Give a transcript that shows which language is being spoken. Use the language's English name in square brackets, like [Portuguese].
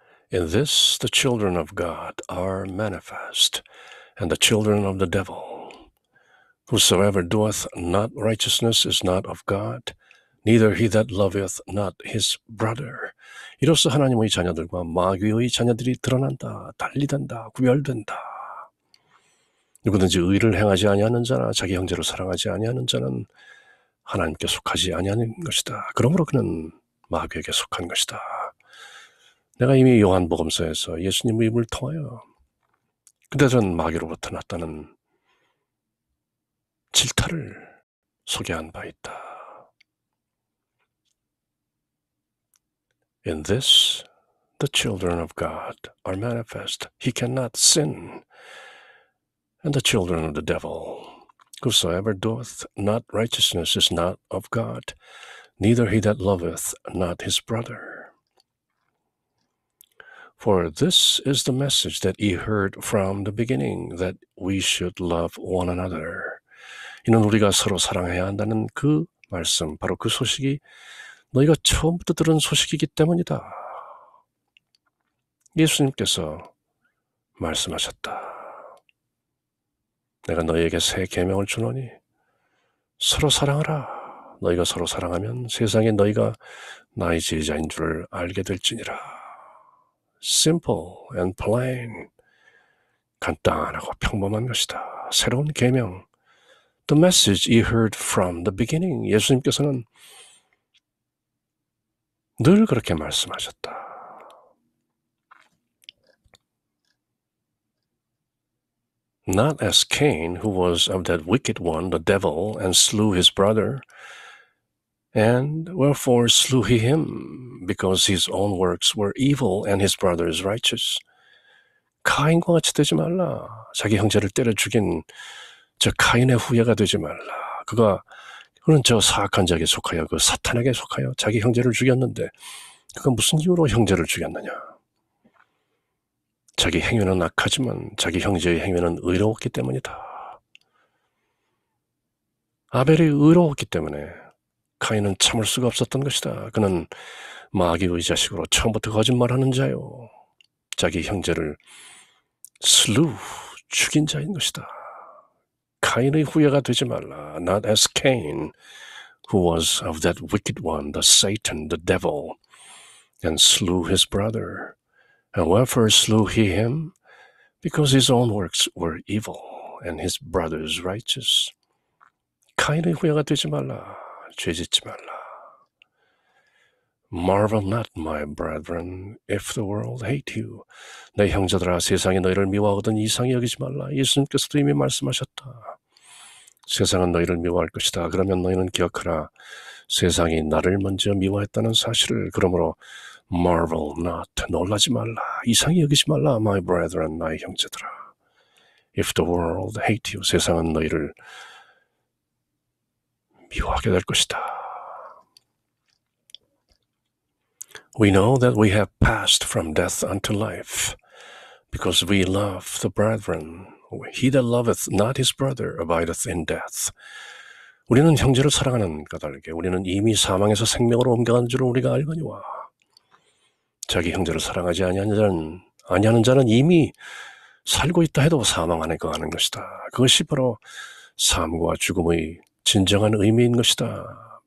[English] In this, the children of God are manifest, and the children of the devil. Whosoever doeth not righteousness is not of God, neither he that loveth not his brother. [Korean] 이로써 하나님의 자녀들과 마귀의 자녀들이 드러난다, 달리된다, 구별된다. 누구든지 의를 행하지 아니하는 자나 자기 형제를 사랑하지 아니하는 자는 하나님께 속하지 아니하는 것이다. 그러므로 그는 마귀에게 속한 것이다. 내가 이미 요한복음서에서 예수님의 입을 통하여 그들은 마귀로부터 났다는 질타를 소개한 바 있다. [English] In this, the children of God are manifest. He cannot sin. And the children of the devil, whosoever doeth not righteousness is not of God, neither he that loveth not his brother. For this is the message that ye heard from the beginning, that we should love one another. [Korean] 이는 우리가 서로 사랑해야 한다는 그 말씀, 바로 그 소식이 너희가 처음부터 들은 소식이기 때문이다. 예수님께서 말씀하셨다. 내가 너희에게 새 계명을 주노니 서로 사랑하라. 너희가 서로 사랑하면 세상에 너희가 나의 제자인 줄 알게 될지니라. [English] Simple and plain. [Korean] 간단하고 평범한 것이다. 새로운 계명. [English] The message you heard from the beginning. [Korean] 예수님께서는 늘 그렇게 말씀하셨다. [English] Not as Cain, who was of that wicked one, the devil, and slew his brother. And wherefore slew he him? Because his own works were evil and his brother's righteous. [Korean] 카인과 같이 되지 말라. 자기 형제를 때려 죽인 저 카인의 후예가 되지 말라. 그는 저 사악한 자에게 속하여 그 사탄에게 속하여 자기 형제를 죽였는데 그가 무슨 이유로 형제를 죽였느냐? 자기 행위는 악하지만 자기 형제의 행위는 의로웠기 때문이다. 아벨이 의로웠기 때문에 카인은 참을 수가 없었던 것이다. 그는 마귀의 자식으로 처음부터 거짓말하는 자요. 자기 형제를 슬루 죽인 자인 것이다. 카인의 후예가 되지 말라. [English] Not as Cain, who was of that wicked one, the Satan, the devil, and slew his brother. And wherefore slew he him? Because his own works were evil, and his brother's righteous. [Korean] 카인의 후예가 되지 말라. 죄 짓지 말라. [English] Marvel not, my brethren, if the world hate you. [Korean] 내 형제들아, 세상이 너희를 미워하거든 이상히 여기지 말라. 예수님께서도 이미 말씀하셨다. 세상은 너희를 미워할 것이다. 그러면 너희는 기억하라. 세상이 나를 먼저 미워했다는 사실을. 그러므로 [English] marvel not, [Korean] 놀라지 말라. 이상히 여기지 말라, [English] my brethren, [Korean] 나의 형제들아. [English] If the world hate you, [Korean] 세상은 너희를 미워하게 될 것이다. [English] We know that we have passed from death unto life, because we love the brethren. He that loveth not his brother abideth in death. [Korean] 우리는 형제를 사랑하는 까닭에 우리는 이미 사망에서 생명으로 옮겨간 줄을 우리가 알거니와 자기 형제를 사랑하지 아니하는 자는 이미 살고 있다 해도 사망 안에 거하는 것이다. 그것이 바로 삶과 죽음의 진정한 의미인 것이다.